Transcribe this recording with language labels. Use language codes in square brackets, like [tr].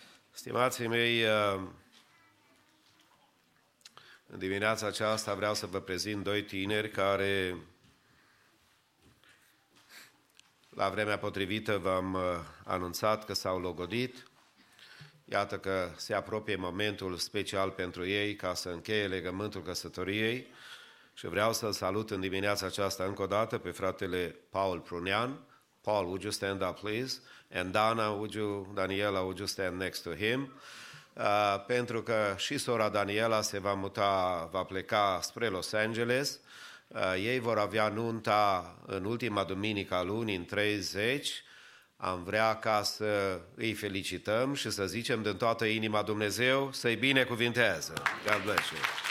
[ro] Stimații mei, în dimineața aceasta vreau să vă prezint doi tineri care la vremea potrivită v-am anunțat că s-au logodit. Iată că se apropie momentul special pentru ei ca să încheie legământul căsătoriei și vreau să-l salut în dimineața aceasta încă o dată pe fratele Paul Prunean. [en] Paul, would you stand up, please? And Daniela, would you stand next to him? [ro] Pentru că și sora Daniela se va muta, va pleca spre Los Angeles. Ei vor avea nunta în ultima duminică a lunii, în 30. Am vrea ca să îi felicităm și să zicem din toată inima Dumnezeu să-i binecuvintează. [en] God bless you.